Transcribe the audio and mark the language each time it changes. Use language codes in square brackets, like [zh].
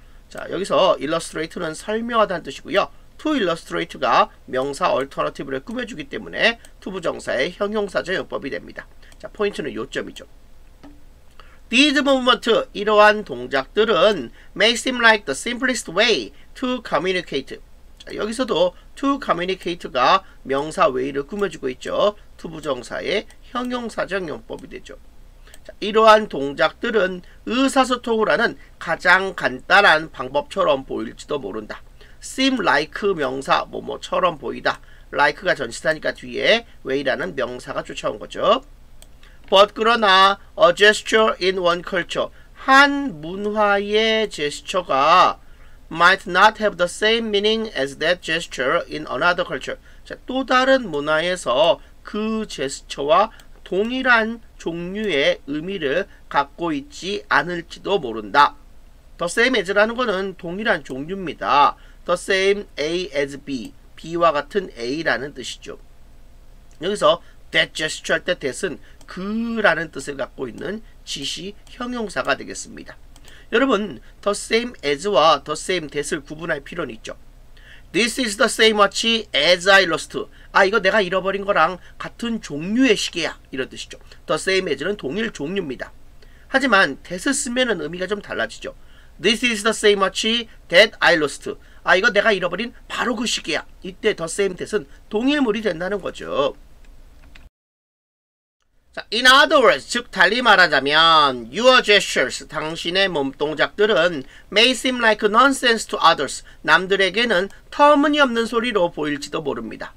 [ko] 자, 여기서 illustrate는 설명하다는 뜻이고요. [en] To illustrate [ko] 가 명사 alternative를 꾸며주기 때문에 to 부정사의 형용사자 요법이 됩니다. 자, 포인트는 요점이죠. [en] These movements, [ko] 이러한 동작들은 [en] may seem like the simplest way to communicate. [ko] 자, 여기서도 to communicate가 명사 way를 꾸며주고 있죠. to 부정사의 형용사정 용법이 되죠. 자, 이러한 동작들은 의사소통을 하는 가장 간단한 방법처럼 보일지도 모른다. seem like 명사 뭐뭐처럼 보이다. like가 전치사니까 뒤에 way라는 명사가 쫓아온 거죠. [en] But [ko] 그러나 [en] a gesture in one culture, [ko] 한 문화의 [en] gesture가 might not have the same meaning as that gesture in another culture. [ko] 자, 또 다른 문화에서 그 gesture와 동일한 종류의 의미를 갖고 있지 않을지도 모른다. The same as라는 것은 동일한 종류입니다. The same A as B, B와 같은 A라는 뜻이죠. 여기서 that gesture 할 때 that은 그라는 뜻을 갖고 있는 지시 형용사가 되겠습니다. 여러분, the same as와 the same that을 구분할 필요는 있죠. [en] This is the same watch as I lost. [ko] 아, 이거 내가 잃어버린 거랑 같은 종류의 시계야. 이런 뜻이죠. The same as는 동일 종류입니다. 하지만 that을 쓰면 의미가 좀 달라지죠. [en] This is the same watch that I lost. [ko] 아, 이거 내가 잃어버린 바로 그 시계야. 이때 the same that은 동일물이 된다는 거죠. [en] 자, in other words, [ko] 즉 달리 말하자면 [en] your gestures, [ko] 당신의 몸동작들은 [en] may seem like nonsense to others, [ko] 남들에게는 터무니없는 소리로 보일지도 모릅니다.